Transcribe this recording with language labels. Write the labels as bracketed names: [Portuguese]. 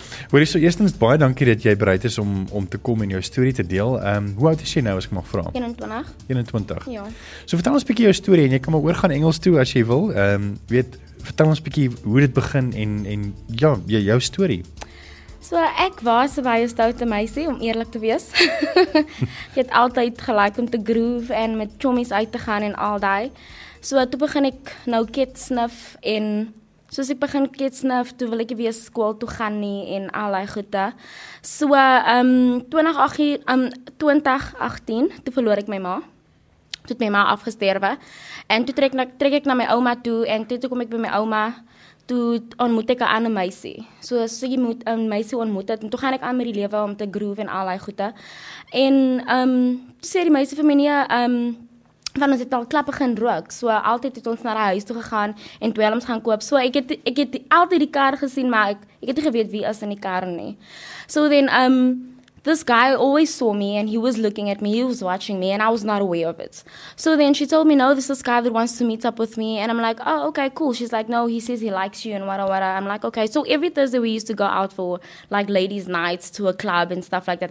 [Afrikaans] Hoor jy, so eerstens, baie dankie dat jy bereid is om te kom en jou story te deel. Hoe oud is jy nou, as ek mag vraag? 21. Ja. So vertel ons bietjie jou story en jy kan maar oorgaan Engels toe as jy wil. Weet, vertel ons bietjie hoe dit begin en ja, jou story. So ek was 'n baie stoute meisie, om eerlik te wees. Ek het altyd gelyk om te groove en met chommies uit te gaan en al die. So toe begin ek nou ketsnif en soos ek begin ketsnif, toe wil ek weer skool toe gaan nie en al die goede. So 2018, toe verloor ek my ma. Toe het my ma afgesterwe. En toe trek ek na my ouma toe en toe kom ek by my ouma. Toe ontmoet ek 'n ander meisie. So sy moet 'n meisie ontmoet het, en toe gaan ek aan met die lewe om te groove en al die goede. En sê die meisie vir my nie, want ons het al klap begin rook, so altyd het ons na die huis toe gegaan en dwelms gaan koop. So ek het altyd die kar gesien, maar ek het nie geweet wie is in die kar nie. [English] So then this guy always saw me and he was looking at me, he was watching me and I was not aware of it. So then she told me, no, this is this guy that wants to meet up with me. And I'm like, oh, okay, cool. She's like, no, he says he likes you and wada wada. I'm like, okay. So every Thursday we used to go out for like ladies nights to a club and stuff like that.